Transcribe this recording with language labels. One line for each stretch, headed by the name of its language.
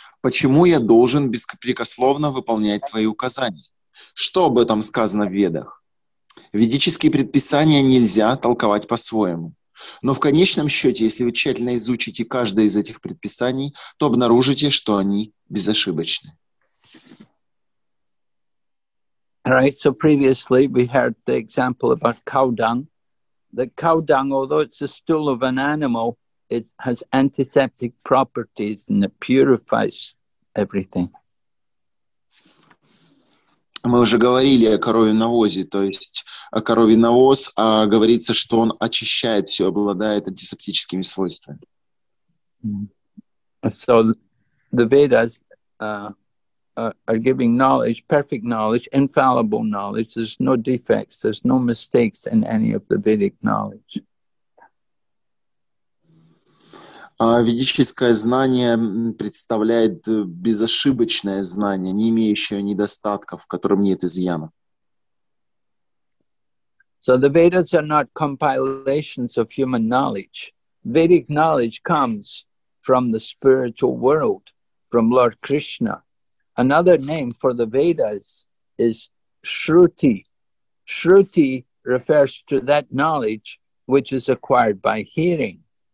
Russian: Почему я должен беспрекословно выполнять твои указания? Что об этом сказано в Ведах? Ведические предписания нельзя толковать по-своему. Но в конечном счете, если вы тщательно изучите каждое из этих предписаний, то обнаружите, что они безошибочны.
English: Right, so previously we heard the example about cow dung. The cow dung, although it's the stool of an animal, it has antiseptic properties and it purifies everything.
Russian: Мы уже говорили о коровьем навозе, то есть о коровьем навоз, а говорится, что он очищает все, обладает антисептическими свойствами.
English: So the Vedas are giving knowledge, perfect knowledge, infallible knowledge. There's no defects, there's no mistakes in any of the Vedic knowledge.
Russian: Ведическое знание представляет безошибочное знание, не имеющее недостатков, в котором нет изъянов.
English: So the Vedas are not compilations of human knowledge. Vedic knowledge comes from the spiritual world, from Lord Krishna. Another name for the Vedas is Shruti. Shruti refers to that knowledge which is acquired by hearing.